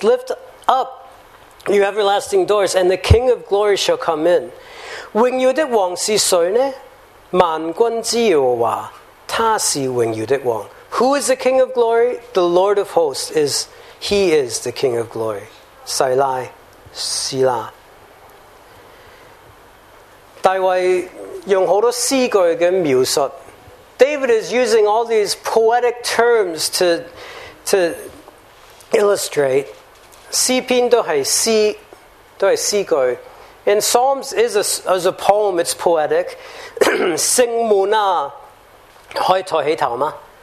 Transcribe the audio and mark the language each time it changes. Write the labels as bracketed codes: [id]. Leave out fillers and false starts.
[en] Lift up, you everlasting doors, and the King of glory shall come in. [zh] 榮耀的王是誰呢？萬軍之耶和華，他是榮耀的王。 [en] Who is the King of Glory? The Lord of Hosts is, He is the King of Glory. Selah, Selah. [zh] 大卫用好多诗句跟描述。 [en] David is using all these poetic terms to illustrate. [zh] 诗篇都是诗句。 [en] And Psalms is a poem, it's poetic. [zh] 圣门啊，可以抬起头吗？